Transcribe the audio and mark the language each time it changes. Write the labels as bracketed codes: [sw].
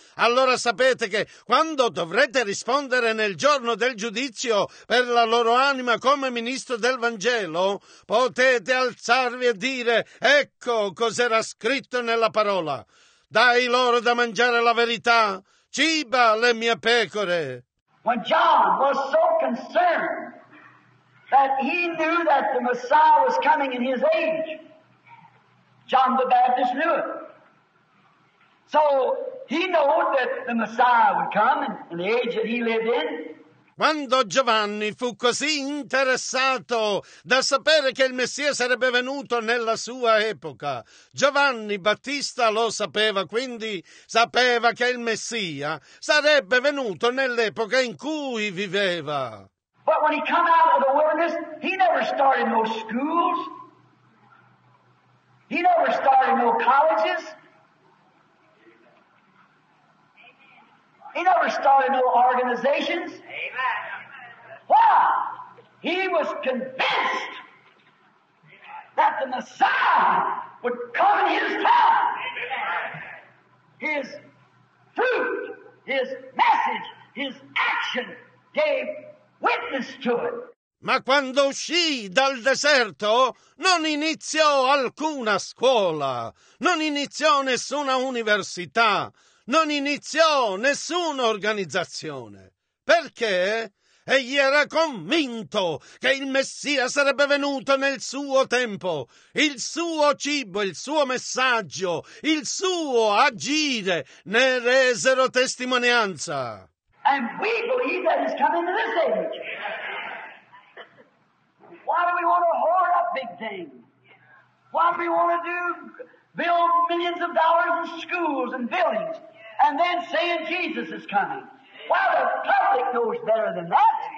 [it] Allora sapete che quando dovrete rispondere nel giorno del giudizio per la loro anima come ministro del Vangelo, potete alzarvi e dire: ecco cos'era scritto nella parola. Dai loro da mangiare la verità. Ciba le mie pecore. [en] When John was so concerned that he knew that the Messiah was coming in his age, John the Baptist knew it. So he knew that the Messiah would come in the age that he lived in. [it] Quando Giovanni fu così interessato da sapere che il Messia sarebbe venuto nella sua epoca, Giovanni Battista lo sapeva, quindi sapeva che il Messia sarebbe venuto nell'epoca in cui viveva. [en] But when he came out of the wilderness, he never started no schools. He never started no colleges. He never started no organizations. Amen. Why? He was convinced that the Messiah would come in his time. Amen. His fruit, his message, his action gave witness to it. [it] Ma quando uscì dal deserto, non iniziò alcuna scuola, non iniziò nessuna università, non iniziò nessuna organizzazione, perché egli era convinto che il Messia sarebbe venuto nel suo tempo. Il suo cibo, il suo messaggio, il suo agire ne resero testimonianza. [en] And we believe that he's coming to this age. Why do we want to hoard up big things? Why do we want to build millions of dollars in schools and buildings? And then saying Jesus is coming. Well, the public knows better than that.